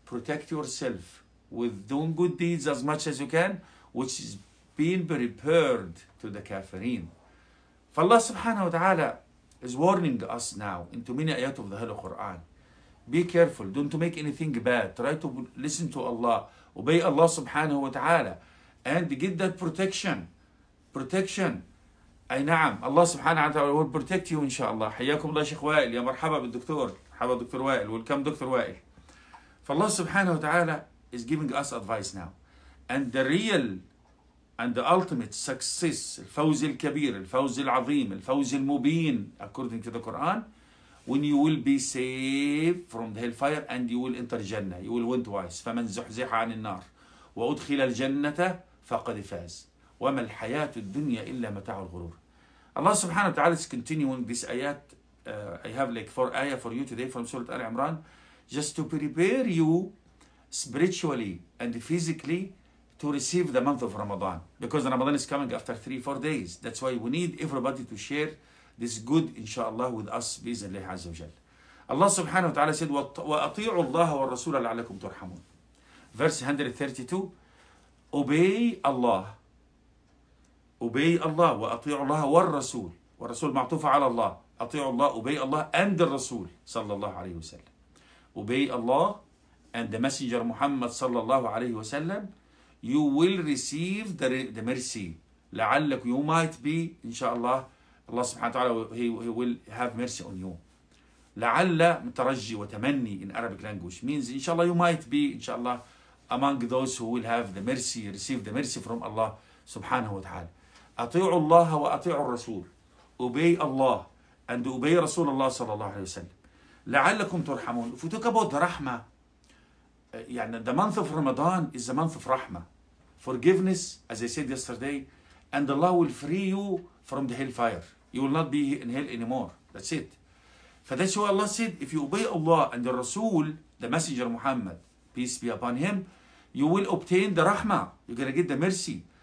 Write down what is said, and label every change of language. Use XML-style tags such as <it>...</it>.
<en>Protect yourself with doing good deeds as much as you can, which is being prepared to the kafirin.</en> <ar>فَاللَّهُ سُبْحَانَهُ وَتَعَالَى</ar> <en>is warning us now into many ayat of the Holy Quran. Be careful. Don't make anything bad. Try to listen to Allah. Obey Allah subhanahu wa ta'ala. And get that protection. Protection.</en> <ar>أي نعم الله سبحانه وتعالى</ar> <en>will protect you</en> <ar>إن شاء الله. حياكم الله شيخ وائل, يا مرحبا بالدكتور, مرحبا دكتور وائل, welcome دكتور وائل.</ar> <en>فالله سبحانه وتعالى is giving us advice now, and the real and the ultimate success,</en> <ar>الفوز الكبير, الفوز العظيم, الفوز المبين</ar> <en>according to the Quran, when you will be saved from the hellfire and you will enter Jannah, you will win twice.</en> <ar>فمن زحزح عن النار وأدخل الجنة فقد فاز. وما الحياة الدنيا إلا متاع الغرور.</ar> <en>Allah subhanahu wa ta'ala is continuing this ayat. I have like 4 ayah for you today from Surah Al Imran, just to prepare you spiritually and physically to receive the month of Ramadan, because Ramadan is coming after 3-4 days. That's why we need everybody to share this good inshallah with us</en> <ar>بإذن الله عز وجل.</ar> <en>Allah subhanahu wa ta'ala said,</en> <ar>وَأَطِيعُوا اللَّهَ وَالرَّسُولَ لَعَلَّكُمْ تُرْحَمُونَ.</ar> <en>Verse 132, obey Allah. Obey Allah,</en> <ar>وأطيع الله والرسول. والرسول معطوف على الله. أطيع الله,</ar> <en>obey Allah and the</en> <ar>رسول صلى الله عليه وسلم.</ar> <en>Obey Allah and the messenger Muhammad صلى الله عليه وسلم. You will receive the mercy. لعلك, you might be,</en> <ar>إن شاء الله, الله سبحانه وتعالى,</ar> <en>he will have mercy on you.</en> <ar>لعل مترجي وتمني</ar> <en>in Arabic language means إن شاء الله you might be, إن شاء الله, among those who will have the mercy, receive the mercy from Allah سبحانه وتعالى.</en> <ar>أطيعوا الله وأطيعوا الرسول.</ar> <en>Obey Allah and obey</en> <ar>رسول الله صلى الله عليه وسلم. لعلكم ترحمون.</ar> <en>If we talk about رحمة, يعني the month of Ramadan is the month of رحمة. Forgiveness, as I said yesterday, and Allah will free you from the hellfire. You will not be in hell anymore. That's it.</en> <ar>فذلك هو</ar> <en>الله said, if you obey Allah and the رسول, the messenger Muhammad, peace be upon him, you will obtain the رحمة. You're going to get the mercy.</en>